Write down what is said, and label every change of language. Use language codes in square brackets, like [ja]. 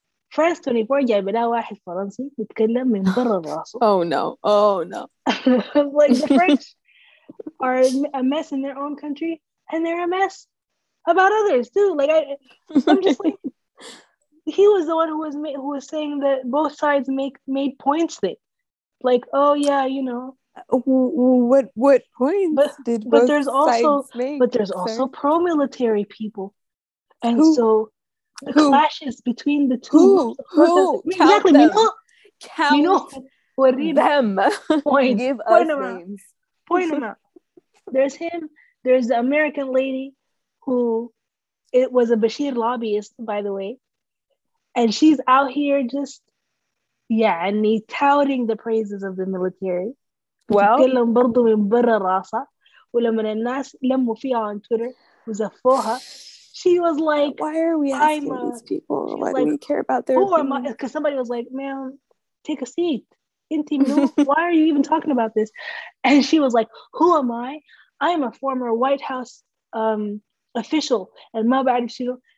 [ar] فرانس 24 جايب لها واحد فرنسي بيتكلم من برا راسه. [en] Oh no, oh no. Like the French are a mess in their own country and they're a mess about others too. Like I'm just like, he was the one who was saying that both sides made points that like, oh yeah, you know. What points but, did both sides make? But there's also, pro-military people. And who? So... The who? Clashes between the two. Who? Exactly. Them. You know, point. Give us point names. Point them out. There's him. There's the American lady who it was a Bashir lobbyist, by the way. And she's out here just, yeah, and he touting the praises of the military. Well. [ar] برضو من برا راسة. ولمن الناس لموا فيها [en] on Twitter [ar] وزفوها. [en] She was like, why are we asking these people? Why do we care about their opinions? Because somebody was like, ma'am, take a seat. [ar] Inti minu, [en] why are you even talking about this? And she was like, who am I? I am a former White House official. And [ar] ma ba'arif shenu.